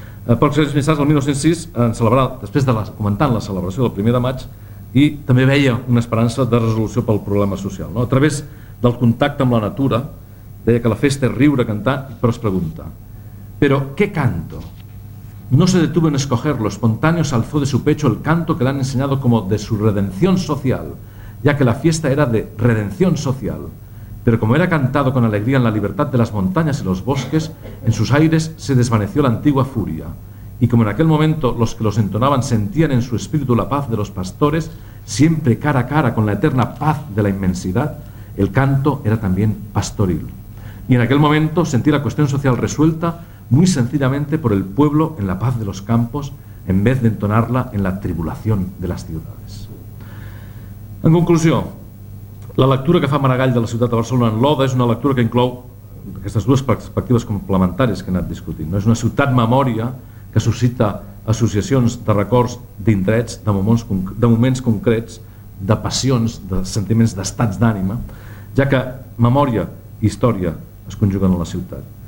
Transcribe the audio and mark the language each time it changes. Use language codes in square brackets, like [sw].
[ca] Pocs anys més tard, el 1906, comentant la celebració del 1 de maig, i també veia una esperança de resolució pel problema social. No? A través del contacte amb la natura, deia que la festa és riure, cantar, però es pregunta: «Però què canto? [es] No se detuvo en escogerlo, espontáneo salzó de su pecho el canto que le han enseñado como de su redención social, ya que la fiesta era de redención social. Pero como era cantado con alegría en la libertad de las montañas y los bosques, en sus aires se desvaneció la antigua furia. Y como en aquel momento los que los entonaban sentían en su espíritu la paz de los pastores, siempre cara a cara con la eterna paz de la inmensidad, el canto era también pastoril». Y en aquel momento sentí la cuestión social resuelta muy sencillamente por el pueblo en la paz de los campos, en vez de entonarla en la tribulación de las ciudades. [ca] En conclusió, la lectura que fa Maragall de la ciutat de Barcelona en l'Oda és una lectura que inclou aquestes dues perspectives complementàries que he anat discutint. És una ciutat memòria que suscita associacions de records, d'indrets, de moments concrets, de passions, de sentiments, d'estats d'ànima, ja que memòria i història es conjuguen a la ciutat.